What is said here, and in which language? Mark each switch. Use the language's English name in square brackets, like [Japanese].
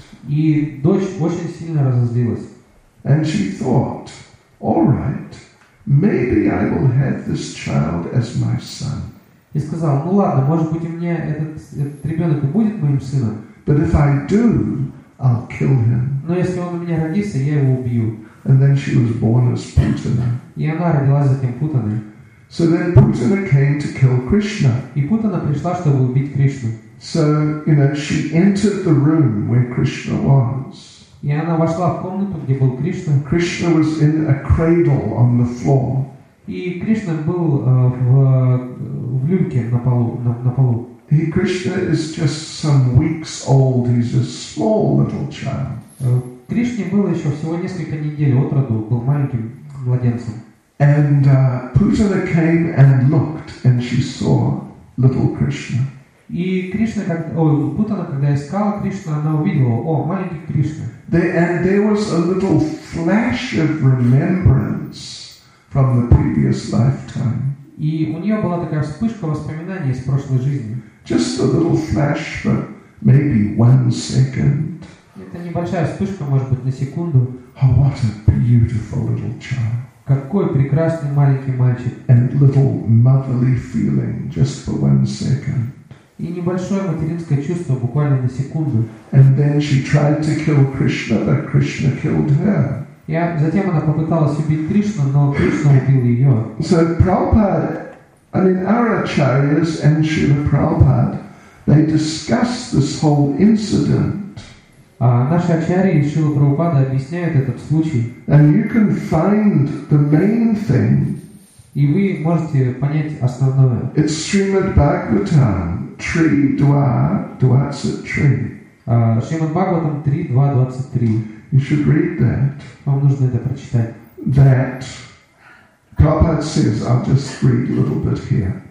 [Russian] И дочь очень сильно разозлилась. [English] And she thought, all right, maybe I will have this child as my son. [Russian] И сказал, ну ладно, может быть, у меня этот ребенок и будет моим сыном. [English] But if I do, I'll kill him. [Russian] Но если он у меня родится, я его убью. [English] And then she was born as Putana. [Russian] И она родилась затем Путаной. [English] So then Putana came to kill Krishna. [Russian] И Путана пришла, чтобы убить Кришну. [English] So, you know, she entered the room where Krishna was. [Russian] И она вошла в комнату, где был Кришна. [English] Krishna was in a cradle on the floor. [Russian] И Кришна был в люльке на полу. [English] He, Krishna is just some weeks old. He's a small little child. [Russian] Кришне было еще всего несколько недель от роду, был маленьким младенцем. [English] And Putana came and looked, and she saw little Krishna. [Russian] И Кришна, Путана, когда искала Кришну, она увидела, о, маленький Кришна. [English] And there was a little flash of remembrance from the previous lifetime. [Russian] И у нее была такая вспышка воспоминаний из прошлой жизни. [English] Just a little flash, but maybe one second. [Russian] Это небольшая вспышка, может быть, на секунду. [English] Oh, what a beautiful little child. [Russian] Какой прекрасный маленький мальчик. [English] And little motherly feeling just for one second. [Russian] И небольшое материнское чувство буквально на секунду. [English] And then she tried to kill Krishna, but Krishna killed her. [Russian] И затем она попыталась убить Кришну, но Кришна убил ее. [English] So Prabhupada, I mean, our acharyas and Srila Prabhupada, they discussed this whole incident. [Russian] А наши ачарьи и Шрила Прабхупада объясняют этот случай. [English] And you can find the main thing. [Russian] И вы можете понять основное. [English] It's Srimad Bhagavatam. [Russian] Tree dua dvadsat tri. [English] Shrimad Bhagavatam 3.2.23. You should read that. [Russian] Вам нужно это прочитать. [English] That Prabhupada says, I'll just read a little bit here.